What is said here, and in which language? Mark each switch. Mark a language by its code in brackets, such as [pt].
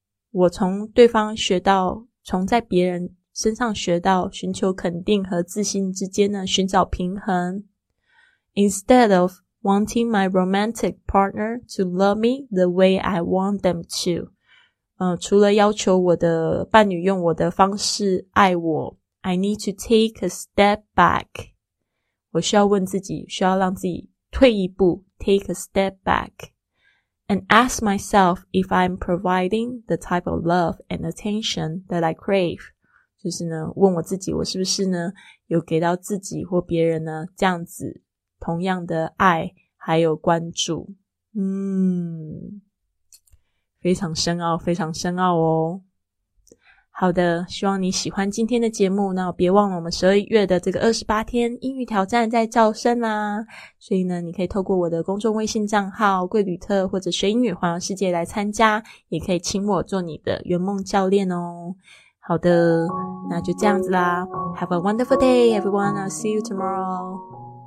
[zh] 我从对方学到，从在别人身上学到寻求肯定和自信之间呢寻找平衡。 [en] Instead ofwanting my romantic partner to love me the way I want them to. [zh] 除了要求我的伴侣用我的方式爱我， [en] I need to take a step back. [zh] 我需要问自己，需要让自己退一步， [en] take a step back. and ask myself if I'm providing the type of love and attention that I crave. [zh] 就是呢，问我自己，我是不是呢，有给到自己或别人呢，这样子，同样的爱，还有关注。嗯，非常深奥，非常深奥哦。好的，希望你喜欢今天的节目，那别忘了我们12月的这个28天英语挑战在招生啦，所以呢你可以透过我的公众微信账号贵旅特或者学英语环游世界来参加，也可以请我做你的圆梦教练哦。好的，那就这样子啦， [en] Have a wonderful day everyone, I'll see you tomorrow.